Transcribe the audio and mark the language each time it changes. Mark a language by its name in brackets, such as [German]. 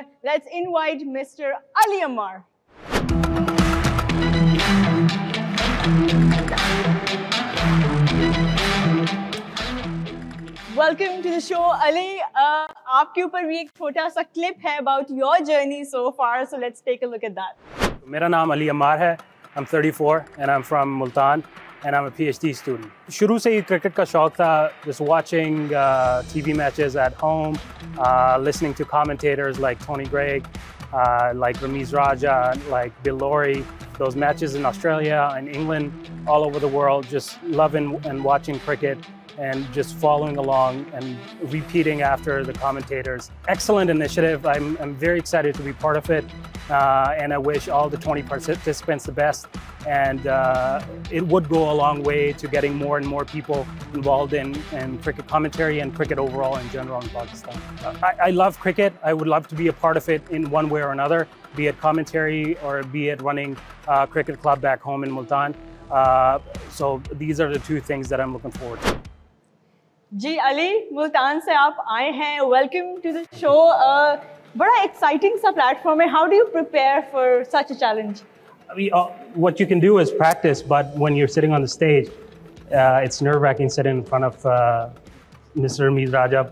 [English] Let's invite mister Ali Amar. Thank you. Welcome to the show, Ali. [Urdu] आपके ऊपर भी एक छोटा सा क्लिप है [English] about your journey so far. So let's take a look at that. [Urdu] मेरा नाम अली अमार है. [English] I'm 34 and I'm from Multan and I'm a PhD student. [Urdu] शुरू से ही क्रिकेट का शौक था. [English] Just watching TV matches at home, listening to commentators like Tony Gregg, like Ramiz Raja, like Bill Laurie. Those matches in Australia and England, all over the world, just loving and watching cricket. And just following along and repeating after the commentators. Excellent initiative. I'm very excited to be part of it. And I wish all the 20 participants the best. And it would go a long way to getting more and more people involved in cricket commentary and cricket overall in general in Pakistan. I love cricket. I would love to be a part of it in one way or another, be it commentary or be it running a cricket club back home in Multan. So these are the two things that I'm looking forward to. [Urdu] जी अली, मुल्तान से आप आए हैं. [English] Welcome to the show. [Urdu] बड़ा exciting सा platform है. [English] How do you prepare for such a challenge? What you can do is practice, but when you are sitting on the stage it's nerve racking sitting in front of mister Mir Raja.